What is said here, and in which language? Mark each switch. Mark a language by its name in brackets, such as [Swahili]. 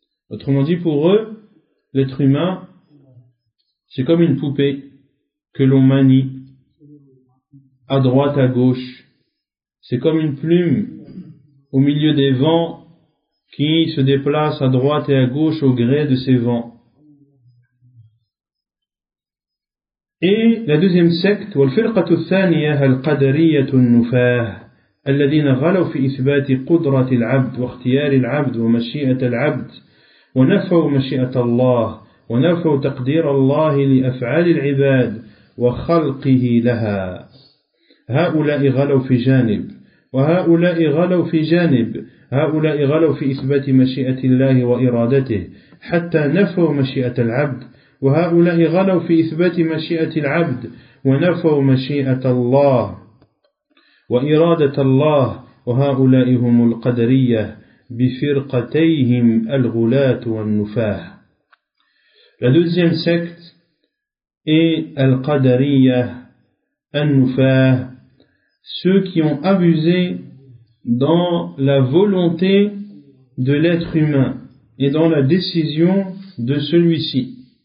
[French] Autrement dit, pour eux, l'être humain, c'est comme une poupée que l'on manie à droite, à gauche. C'est comme une plume au milieu des vents qui se déplace à droite et à gauche au gré de ces vents. Et la deuxième secte, [Arabic] والفرقة الثانية القدرية النفاة الذين غلوا في إثبات قدرة العبد واختيار العبد ومشيئة العبد ونفوا مشيئة الله ونفوا تقدير الله لأفعال العباد وخلقه لها. هؤلاء غلوا في جانب وهؤلاء غلوا في جانب. هؤلاء غلوا في إثبات مشيئة الله وإرادته حتى نفوا مشيئة العبد وهؤلاء غلوا في إثبات مشيئة العبد ونفوا مشيئة الله وإرادة الله وهؤلاء هم القدرية بفرقتيهم الغلاة والنفاة. [French] La deuxième secte est Al-Qadariya, Al-Nufah, ceux qui ont abusé dans la volonté de l'être humain et dans la décision de celui-ci.